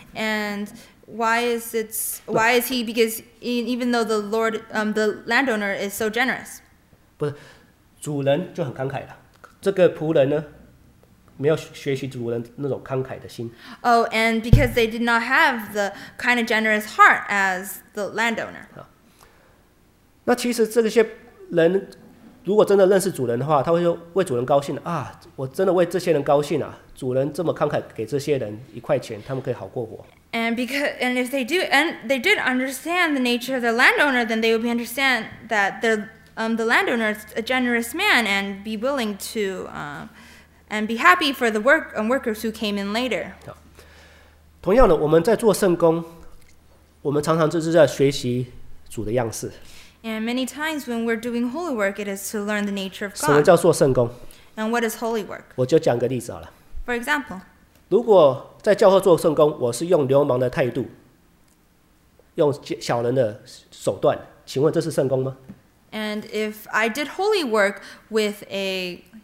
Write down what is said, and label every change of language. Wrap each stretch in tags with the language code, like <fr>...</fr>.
<en>And why is he because even though the Lord the landowner is so generous?</en> <zh>不是，主人就很慷慨了。这个仆人呢，没有学习主人那种慷慨的心。</zh> <en>Oh, and because they did not have the kind of generous heart as the landowner.</en> <zh>那其实这些人如果真的认识主人的话，他会说为主人高兴啊，我真的为这些人高兴啊，主人这么慷慨给这些人一块钱，他们可以好过活。</zh> <en>And if they do, and they did understand the nature of the landowner, then they would be understand that the landowner is a generous man and be willing to and be happy for the work and workers who came in later.</en> <zh>同样的，我们在做圣工，我们常常就是在学习主的样式。</zh> <en>And many times when we're doing holy work, it is to learn the nature of God.</en> <zh>什么叫做圣工？</zh> <en>And what is holy work?</en> <zh>我就讲个例子好了。</zh> <en>For example,</en> <zh>如果在教会做圣工，我是用流氓的态度，用小人的手段，请问这是圣工吗？</zh> <en>And if I did holy work with a</en>